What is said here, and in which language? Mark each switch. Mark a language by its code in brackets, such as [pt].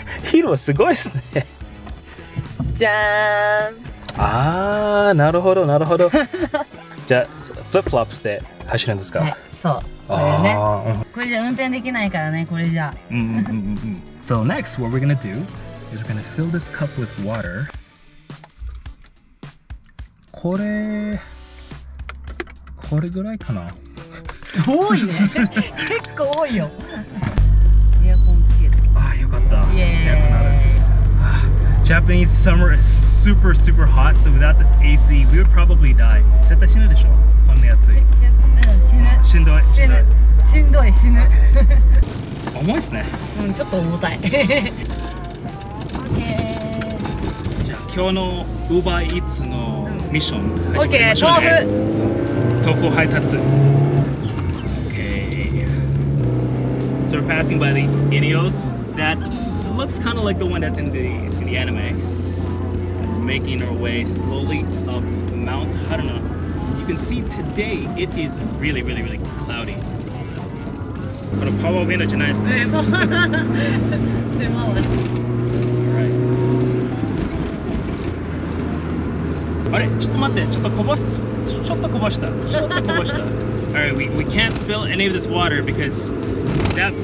[en] Heat was [ja] すごいですね。じゃん。ああ、なるほど、なるほど。じゃあ、flip flops で走るんですか。そう。これじゃ運転できないからね、これじゃ。 [en] So next, what we're gonna do? Is we're gonna fill this cup with water. [ja] これ、これぐらいかな。多いね。結構多いよ。エアコンつけて。ああ、よかった。エアコンある。 [en] Japanese summer is super super hot. So without this AC, we would probably die. [ja] 絶対死ぬでしょ。こんな暑い。死ぬ。しんどい。死ぬ。しんどい。死ぬ。重いですね。うん、ちょっと重たい。今日のウーバーイーツのミッション始めましょうね。豆腐配達。 [en] Okay. So we're passing by the Ineos. That looks kind of like the one that's in the anime. We're making our way slowly up Mount Haruna. You can see today it is really, really, really cloudy. [ja] このパワーウィンドウじゃないですね。手間です。あれ、ちょっと待って、ちょっとこぼした。 [en] Alright, we can't spill any of this water because that.